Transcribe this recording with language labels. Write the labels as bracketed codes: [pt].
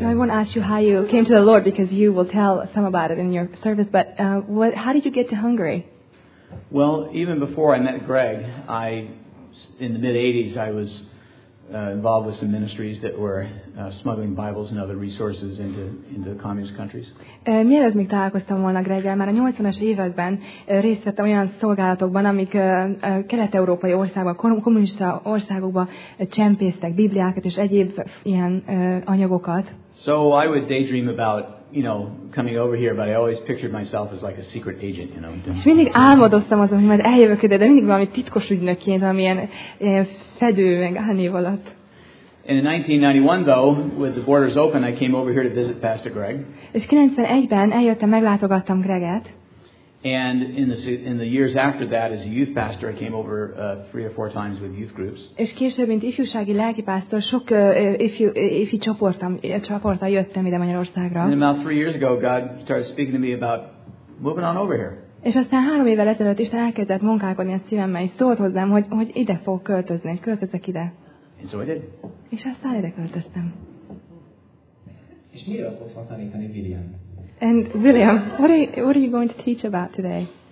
[en] So I won't ask you how you came to the Lord because you will tell some about it in your service, but how did you get to Hungary? Well, even before I met Greg, I in the mid-80s I was involved with some ministries that were smuggling Bibles and other resources into the communist countries. [hu] Mielőtt még találkoztam volna Greggel, már a 80-as években részt vettem olyan szolgálatokban, amik kelet-európai országban, kommunista országokban csempésztek bibliákat és egyéb ilyen anyagokat. [en] So I would daydream about, you know, coming over here, but I always pictured myself as like a secret agent, you know. [hu] És mindig álmodoztam azon, hogy majd eljövök ide, de mindig valami titkos ügynökként, valamilyen fedő meg álnév alatt. [en] And in 1991, though, with the borders open, I came over here to visit Pastor Greg. [hu] És 91-ben eljöttem, meglátogattam Greget. [en] And in the years after that, as a youth pastor, I came over three or four times with youth groups. [hu] És később, mint ifjúsági lelkipásztor, sok ifi csoporttal jöttem ide Magyarországra. [en] And about 3 years ago, God started speaking to me about moving on over here. [hu] És aztán 3 évvel ezelőtt Isten elkezdett munkálkodni a szívemmel, és szólt hozzám, hogy ide fogok költözni, költözök ide. [en] And so I did. [hu] És aztán ide költöztem. És miért akarsz tanítani, William? [en] And William, what are you going to teach about today?